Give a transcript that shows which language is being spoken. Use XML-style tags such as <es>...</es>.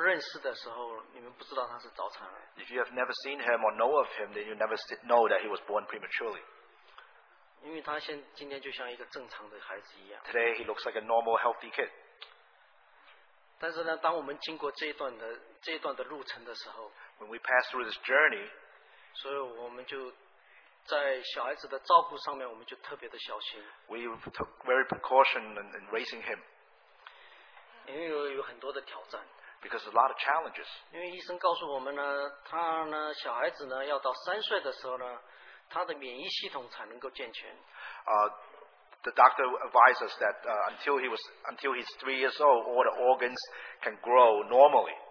<zh>所以今天如果我没有告诉你他是早产儿，我想如果你们不认识的时候，你们不知道他是早产儿。</zh> <en>If you have never seen him or know of him, then you never know that he was born prematurely.</en> <zh>因为他现今天就像一个正常的孩子一样。</zh> <en>Today he looks like a normal, healthy kid.</en> <zh>但是呢，当我们经过这一段的路程的时候，</zh> <en>When we pass through this journey,</en> <zh>所以我们就。在小孩子的照顾上面，我们就特别的小心。</zh> <en>We took very precaution in raising him.</en> <zh>因为有很多的挑战。</zh> <en>Because a lot of challenges.</en> <zh>因为医生告诉我们呢，他呢，小孩子呢，要到3岁的时候呢，他的免疫系统才能够健全。</zh> <en>The doctor advised us that until he's 3 years old, all the organs can grow normally.</en>